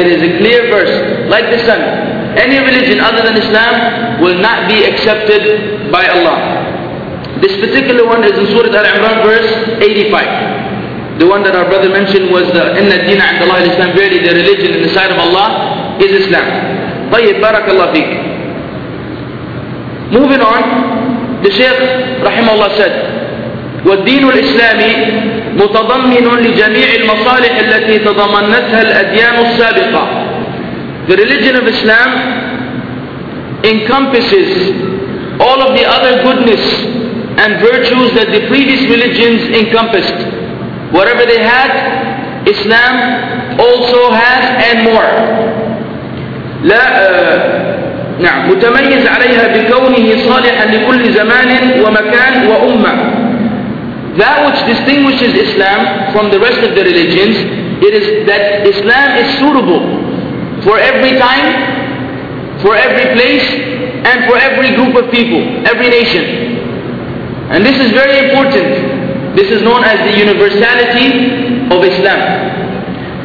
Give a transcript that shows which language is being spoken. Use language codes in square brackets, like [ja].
[en] It is a clear verse, like the sun. Any religion other than Islam will not be accepted by Allah. This particular one is in Surah Al-Imran, verse 85. The one that our brother mentioned was the [ar] إِنَّ الدِّينَ عَنْدَ اللَّهِ الْإِسْلَامِ. [en] Verily, the religion in the sight of Allah is Islam. [ar] طيب بارك الله فيك. [en] Moving on, the Shaykh [ar] رحمه الله [en] said, [ar] والدين الإسلامي متضمن لجميع المصالح التي تضمنتها الأديان السابقة. [en] The religion of Islam encompasses all of the other goodness and virtues that the previous religions encompassed. Whatever they had, Islam also has and more. [ar] لا نعم متميز عليها بكونه صالحا لكل زمان ومكان وأمة. [en] That which distinguishes Islam from the rest of the religions, it is that Islam is suitable for every time, for every place, and for every group of people, every nation. And this is very important. This is known as the universality of Islam.